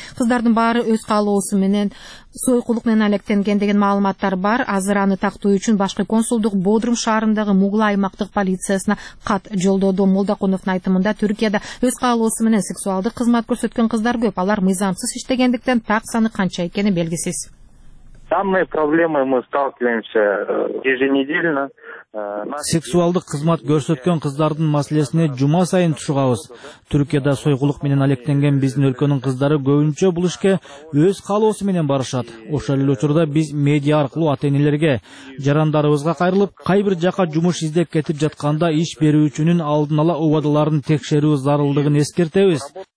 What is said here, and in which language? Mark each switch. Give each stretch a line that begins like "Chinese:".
Kyrgyz: Кыздардын баары өз каалоосу менен сойкулук менен алектенген деген маалыматтар бар. Азыр аны тактоо үчүн башкы консулдук Бодрум шаарындагы Мугла аймактык полициясына кат жолдоду. Молдакуновдун айтымында Түркияда өз каалоосу менен сексуалдык кызмат көрсөткөн кыздар көп. Алар мыйзамсыз иштегендиктен так саны канча экени белгисиз.
Russian: Самые проблемы мы сталкиваемся еженедельно.
Kyrgyz: Сексуалдык кызмат көрсөткөн кыздардын маселесине жума сайын тушугабыз. Түркияда сойгулук менен алектенген биздин өлкөнүн кыздары көбүнчө бул ишке өз каалоосу менен барышат. Ошол эле учурда биз медиа аркылуу ата энелерге жарандарыбызга кайрылып, кай бир жака жумуш издеп кетип жатканда иш берүүчүнүн алдын ала убадаларын текшерүү зарылдыгын эскертебиз.